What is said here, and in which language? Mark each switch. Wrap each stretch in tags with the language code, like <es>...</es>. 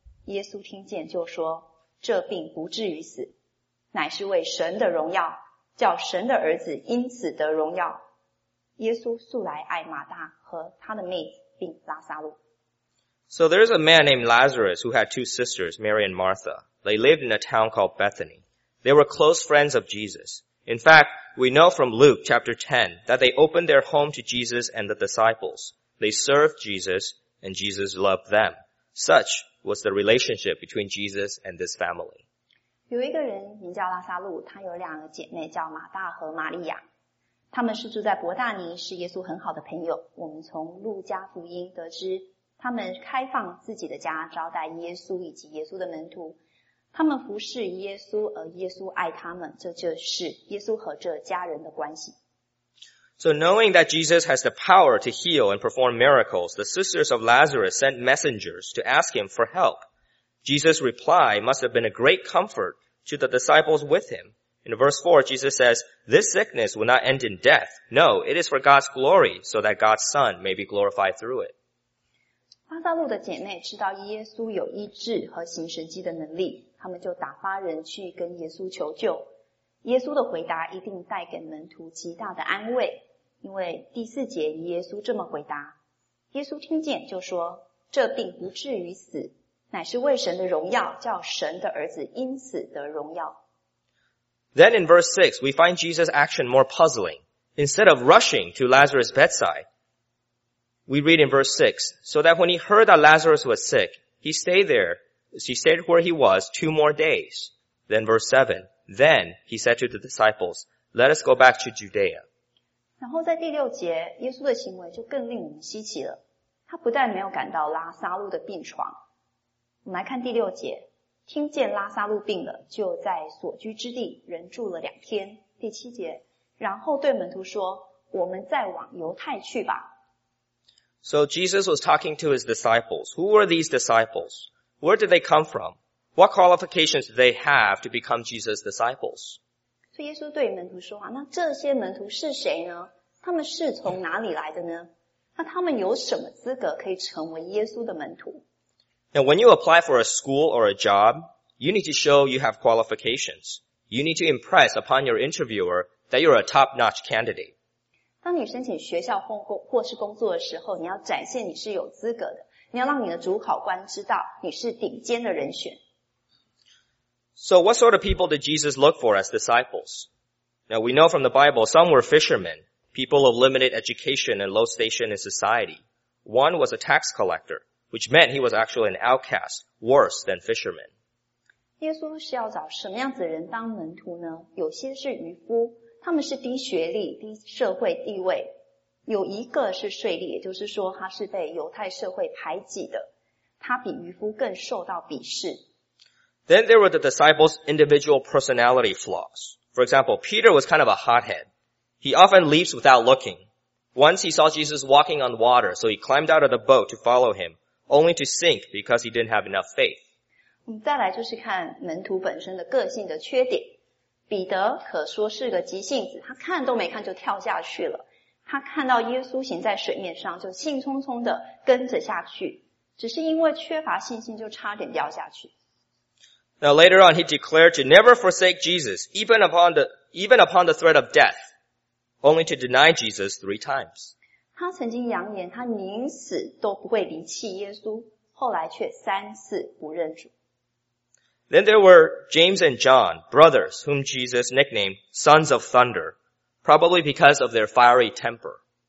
<zh>耶稣听见就说，这病不至于死。乃是为神的荣耀，叫神的儿子因此得荣耀。耶稣素来爱马大和他的妹子并拉撒路。</zh> <en>So there is a man named Lazarus who had two sisters, Mary and Martha. They lived in a town called Bethany. They were close friends of Jesus. In fact, we know from Luke chapter 10 that they opened their home to Jesus and the disciples. They served Jesus and Jesus loved them. Such was the relationship between Jesus and this family.</en> <zh>有一个人名叫拉撒路，他有两个姐妹叫马大和玛利亚，他们是住在伯大尼，是耶稣很好的朋友。我们从路加福音得知，他们开放自己的家招待耶稣以及耶稣的门徒，他们服侍耶稣，而耶稣爱他们，这就是耶稣和这家人的关系。</zh> <en>So knowing that Jesus has the power to heal and perform miracles, the sisters of Lazarus sent messengers to ask him for help. Jesus' reply must have been a great comfort to the disciples with him. In verse 4, Jesus says, This sickness will not end in death. No, it is for God's glory, so that God's Son may be glorified through it.</en> <zh>拉撒路的姐妹知道耶稣有医治和行神迹的能力，他们就打发人去跟耶稣求救。耶稣的回答一定带给门徒极大的安慰，因为第四节耶稣这么回答，耶稣听见就说，这病不至于死，乃是为神的荣耀，叫神的儿子因此得荣耀。</zh> <en>Then in verse 6, we find Jesus' action more puzzling. Instead of rushing to Lazarus' bedside, we read in verse 6, so that when he heard that Lazarus was sick, he stayed where he was 2 more days. Then verse 7, then he said to the disciples, let us go back to Judea.</en> <zh>然后在第六节，耶稣的行为就更令我们稀奇了。他不但没有赶到拉撒路的病床，我们来看第六节，听见拉撒路病了，就在所居之地仍住了两天。第七节，然后对门徒说，我们再往犹太去吧。</zh> <en>So Jesus was talking to his disciples. Who were these disciples? Where did they come from? What qualifications did they have to become Jesus' disciples?</en> <zh>所以耶稣对门徒说，那这些门徒是谁呢？他们是从哪里来的呢？那他们有什么资格可以成为耶稣的门徒？</zh> <en>Now, when you apply for a school or a job, you need to show you have qualifications. You need to impress upon your interviewer that you're a top-notch candidate.</en> <zh>当你申请学校或是工作的时候，你要展现你是有资格的，你要让你的主考官知道你是顶尖的人选。</zh> <en>So what sort of people did Jesus look for as disciples? Now, we know from the Bible some were fishermen, people of limited education and low station in society. One was a tax collector. Which meant he was actually an outcast, worse than fishermen.</en> <zh>耶稣是要找什么样子的人当门徒呢？有些是渔夫，他们是低学历、低社会地位。有一个是税吏，也就是说他是被犹太社会排挤的。他比渔夫更受到鄙视。</zh> <en>Then there were the disciples' individual personality flaws. For example, Peter was kind of a hothead. He often leaps without looking. Once he saw Jesus walking on water, so he climbed out of the boat to follow him. Only to sink because he didn't have enough faith.</en> <zh>我们再来就是看门徒本身的个性的缺点。彼得可说是个急性子，他看都没看就跳下去了。他看到耶稣行在水面上，就兴冲冲的跟着下去，只是因为缺乏信心，就差点掉下去。</zh> <en>Now later on, he declared to never forsake Jesus, even upon the threat of death, only to deny Jesus 3 times.</en> <zh>他曾经扬言他宁死都不会离弃耶稣，后来却3次不认主。</zh> <en>Then there were James and John, brothers, whom Jesus nicknamed sons of thunder, probably because of their fiery temper.</en>